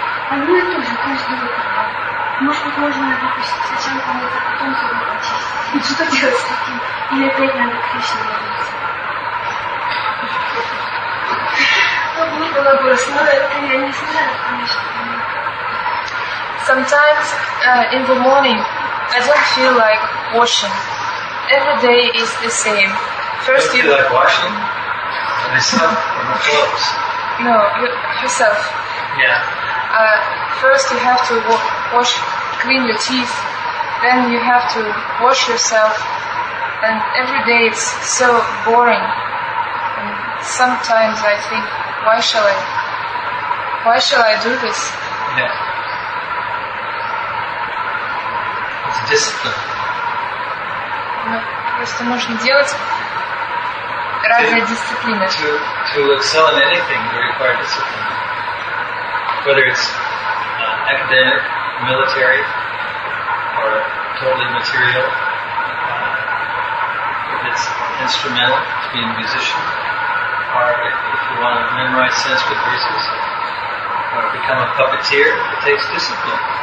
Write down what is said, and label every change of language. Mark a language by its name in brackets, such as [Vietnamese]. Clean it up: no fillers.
[Russian] Одно и то же каждый утро. Может быть, можно выпустить сначала мыть, а потом зубы почистить. И что делать с таким? Или опять надо к Кришне вернуться? Ну, глупый вопрос, но это я не знаю, конечно. [English] Sometimes in the morning, I don't feel like washing. Every day is the same. First you feel like washing myself or my clothes. No, yourself. Yeah. First you have to wash, clean your teeth. Then you have to wash yourself. And every day it's so boring. And sometimes I think, why shall I do this? Yeah. [Russian] Ну, просто нужно делать разные дисциплины. [English] To excel in anything, you require discipline. Whether it's academic, military, or totally material, if it's instrumental, to be a musician, or if you want to memorize Sanskrit verses, or become a puppeteer, it takes discipline.